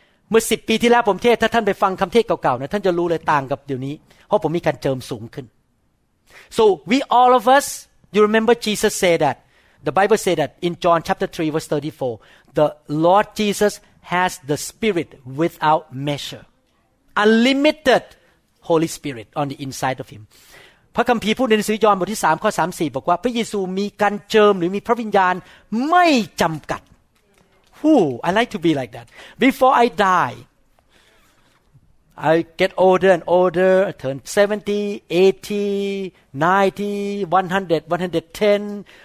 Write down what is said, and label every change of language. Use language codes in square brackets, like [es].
[th] เมื่อ10ปีที่แล้วผมเทศถ้าท่านไปฟังคำเทศเก่าๆนะท่านจะรู้เลยต่างกับเดี๋ยวนี้เพราะผมมีการเจิมสูงขึ้น [en] So we all of us you remember Jesus say thatThe Bible says that in John chapter 3 verse 34, the Lord Jesus has the Spirit without measure. Unlimited Holy Spirit on the inside of him. [th] พระคัมภีร์พูดในหนังสือยอห์นบทที่3ข้อ34บอกว่าพระเยซูมีการเจิมหรือมีพระวิญญาณไม่จำกัด [en] Whoo, I like to be like that. Before I die, I get older and older, I turn 70, 80, 90, 100, 110.